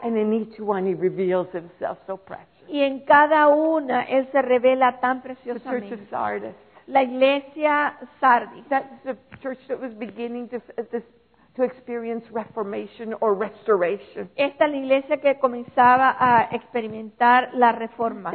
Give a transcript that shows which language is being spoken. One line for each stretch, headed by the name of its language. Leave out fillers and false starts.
Spanish: And in each one he reveals himself so precious.
English: Y en cada una él se revela tan preciosamente.
Spanish: The church of Sardis.
English: La iglesia Sardis.
Spanish: That's the church that was beginning to experience reformation or restoration.
English: Esta es la iglesia que comenzaba a experimentar la reforma.